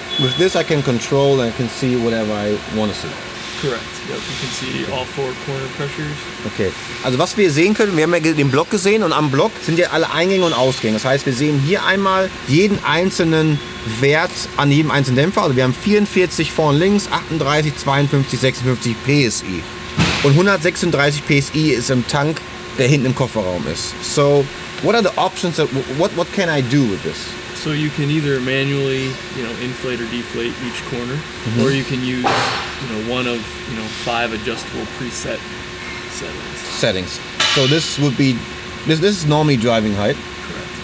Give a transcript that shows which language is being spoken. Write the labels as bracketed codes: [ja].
[en] With this, I can control and I can see whatever I want to see. Correct. Yep. You can see all four corner pressures. Okay. [de] Also, was wir sehen können, wir haben ja den Block gesehen und am Block sind ja alle Eingänge und Ausgänge. Das heißt, wir sehen hier einmal jeden einzelnen Wert an jedem einzelnen Dämpfer. Also, wir haben 44 vorn links, 38, 52, 56 PSI. Und 136 PSI ist im Tank, der hinten im Kofferraum ist. [en] So, what are the options? What can I do with this? So, you can either manually, you know, inflate or deflate each corner, mm-hmm. or you can use, you know, one of, you know, five adjustable preset settings. So this would be, this is normally driving height. Correct.